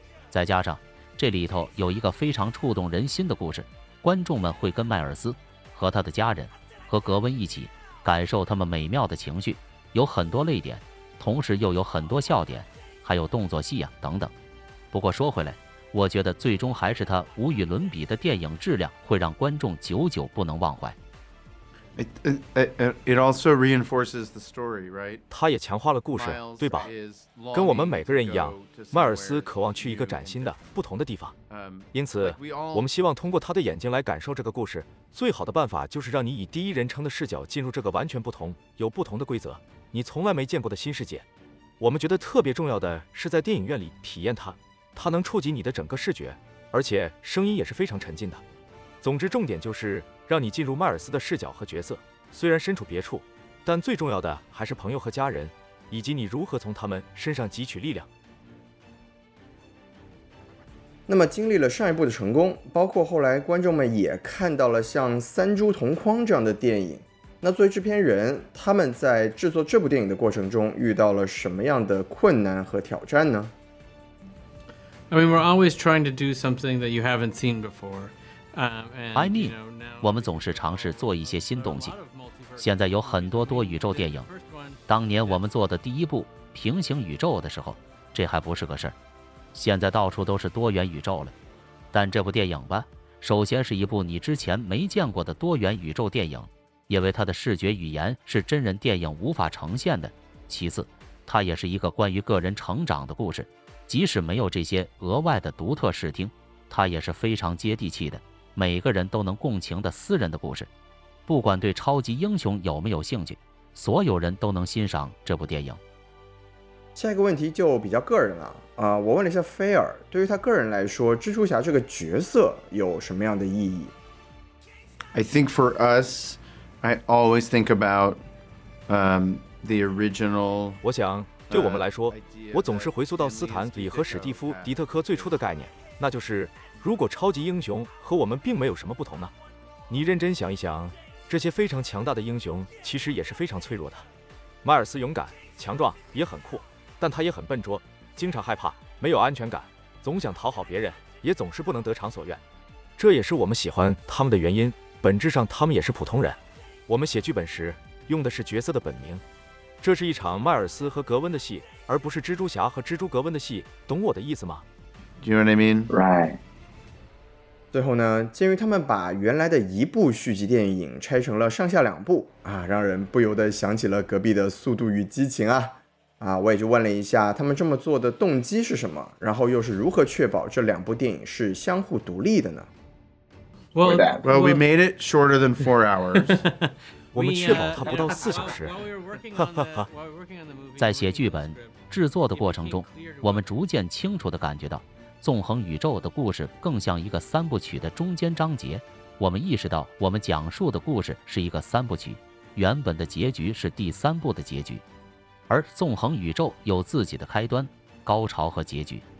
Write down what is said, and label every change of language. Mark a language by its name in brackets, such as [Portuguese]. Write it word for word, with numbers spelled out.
[Chinese] 再加上这里头有一个非常触动人心的故事，观众们会跟迈尔斯和他的家人和格温一起感受他们美妙的情绪，有很多泪点，同时又有很多笑点，还有动作戏啊等等。不过说回来，我觉得最终还是他无与伦比的电影质量会让观众久久不能忘怀。 [English] It, it, it also reinforces the story, right? [Chinese] 它也强化了故事，对吧？跟我们每个人一样，迈尔斯渴望去一个崭新的、不同的地方。因此，我们希望通过他的眼睛来感受这个故事。最好的办法就是让你以第一人称的视角进入这个完全不同、有不同的规则、你从来没见过的新世界。我们觉得特别重要的是在电影院里体验它，它能触及你的整个视觉，而且声音也是非常沉浸的。总之，重点就是让你进入迈尔斯的视角和角色，虽然身处别处，但最重要的还是朋友和家人，以及你如何从他们身上汲取力量。那么经历了上一部的成功，包括后来观众们也看到了像《三株同框》这样的电影，那作为制片人，他们在制作这部电影的过程中遇到了什么样的困难和挑战呢？ [English] I mean, we're always trying to do something that you haven't seen before. I mean, [Chinese] 我们总是尝试做一些新东西。现在有很多多宇宙电影，当年我们做的第一部平行宇宙的时候，这还不是个事儿。现在到处都是多元宇宙了。但这部电影吧，首先是一部你之前没见过的多元宇宙电影，因为它的视觉语言是真人电影无法呈现的。其次，它也是一个关于个人成长的故事，即使没有这些额外的独特视听，它也是非常接地气的。每个人都能共情的私人的故事，不管对超级英雄有没有兴趣，所有人都能欣赏这部电影。下一个问题就比较个人了啊、呃！我问了一下菲尔，对于他个人来说，蜘蛛侠这个角色有什么样的意义 [English] ？I think for us, I always think about、um, the original. [Chinese] 我想，对我们来说，我总是回溯到斯坦李和史蒂夫·迪特科最初的概念，那就是。如果超级英雄和我们并没有什么不同呢？你认真想一想，这些非常强大的英雄其实也是非常脆弱的。迈尔斯勇敢、强壮，也很酷，但他也很笨拙，经常害怕，没有安全感，总想讨好别人，也总是不能得偿所愿。这也是我们喜欢他们的原因，本质上他们也是普通人。我们写剧本时用的是角色的本名。这是一场迈尔斯和格温的戏，而不是蜘蛛侠和蜘蛛格温的戏，懂我的意思吗？ [English] You know what I mean? Right. [Chinese] 最后呢，鉴于他们把原来的一部续集电影拆成了上下两部啊，让人不由得想起了隔壁的《速度与激情》啊啊！我也就问了一下，他们这么做的动机是什么，然后又是如何确保这两部电影是相互独立的呢 [English] ？Well, well, we made it shorter than four hours. [Chinese] 我们确保它不到四小时。哈哈哈！在写剧本、制作的过程中，我们逐渐清楚地感觉到。纵横宇宙的故事更像一个三部曲的中间章节，我们意识到我们讲述的故事是一个三部曲，原本的结局是第三部的结局，而纵横宇宙有自己的开端、高潮和结局。